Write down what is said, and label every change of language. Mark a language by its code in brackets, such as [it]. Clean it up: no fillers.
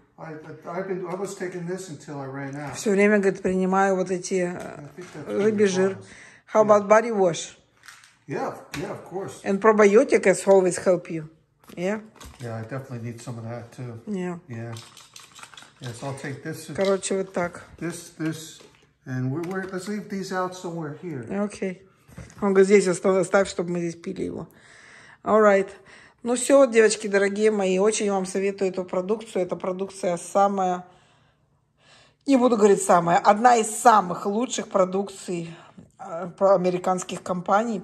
[en] I was taking this until I ran out. [ru] Все время, говорит, принимаю вот эти рыбий жир. [en] How about body wash? Yeah, of course. And probiotic has always helped you. Yeah. Yeah, I definitely need some of that too. Yeah. Yes, I'll take this. [ru] Короче, вот так. [en] This, and we're let's leave these out somewhere here. Okay. [ru] Он говорит, здесь оставь, чтобы мы здесь пили его. [en] All right. [ru] Ну все, девочки, дорогие мои, очень вам советую эту продукцию. Эта продукция самая, не буду говорить самая, одна из самых лучших продукций американских компаний.